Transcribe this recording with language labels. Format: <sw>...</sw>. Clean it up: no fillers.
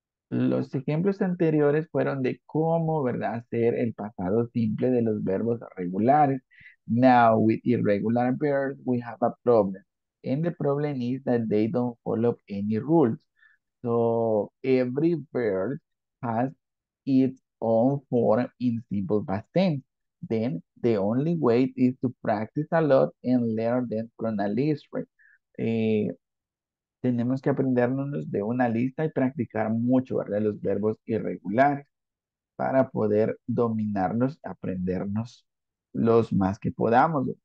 <es>Los ejemplos anteriores fueron de cómo, ¿verdad?, hacer el pasado simple de los verbos regulares.</es> <en>Now, with irregular verbs, we have a problem. And the problem is that they don't follow any rules. So every verb has its own form in simple past tense. Then the only way is to practice a lot and learn them from a list, right?</en> <es>Tenemos que aprendernos de una lista y practicar mucho, ¿verdad? Los verbos irregulares para poder dominarlos, aprendernos los más que podamos, ¿verdad?</es>